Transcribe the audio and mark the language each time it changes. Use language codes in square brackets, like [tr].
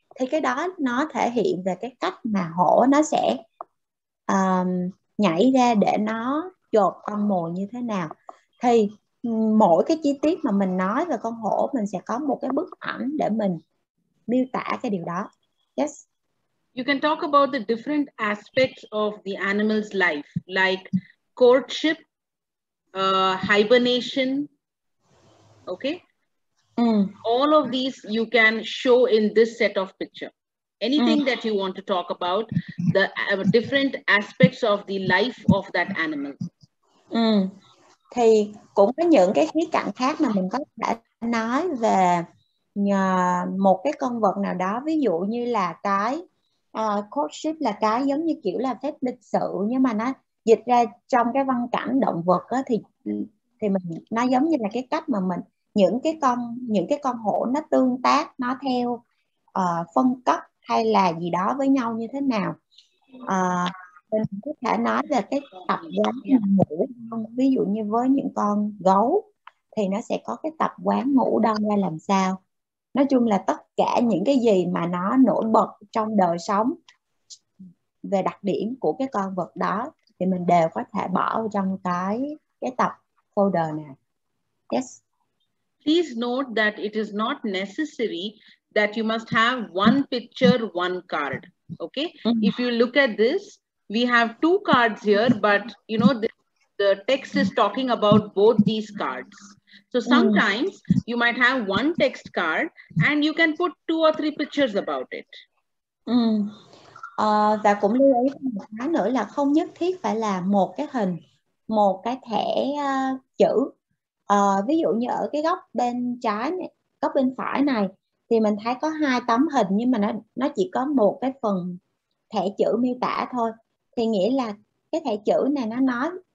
[vi] Thì cái đó nó thể hiện về cái cách mà hổ nó sẽ nhảy ra để nó chộp con mồi như thế nào. Thì mỗi cái chi tiết mà mình nói về con hổ, mình sẽ có một cái bức ảnh để mình miêu tả cái điều đó. [en] Yes. You can talk about the different aspects of the animal's life, like courtship, hibernation, okay? All of these you can show in this set of picture. Anything that you want to talk about, the different aspects of the life of that animal. [vi] Thì cũng có những cái khía cạnh khác mà mình có thể nói về nhờ một cái con vật nào đó. Ví dụ như là cái courtship là cái giống như kiểu là phép lịch sự, nhưng mà nó dịch ra trong cái văn cảnh động vật đó, thì mình, nó giống như là cái cách mà mình, những cái con hổ nó tương tác, nó theo phân cấp hay là gì đó với nhau như thế nào. Mình có thể nói về cái tập quán ngủ, ví dụ như với những con gấu thì nó sẽ có cái tập quán ngủ đông ra làm sao. Nói chung là tất cả những cái gì mà nó nổi bật trong đời sống về đặc điểm của cái con vật đó thì mình đều có thể bỏ vào trong cái tập folder này. [en] Yes. Please note that it is not necessary that you must have one picture, one card. Okay. If you look at this, we have two cards here, but you know, the text is talking about both these cards. So sometimes you might have one text card and you can put two or three pictures about it. [vi] Và cũng lưu ý một cái nữa là không nhất thiết phải là một cái hình, một cái thẻ chữ. Ví dụ như ở cái góc bên trái này, góc bên phải này, thì mình thấy có hai tấm hình, nhưng mà nó chỉ có một cái phần thẻ chữ miêu tả thôi. Thì nghĩa là cái thẻ chữ này nó nói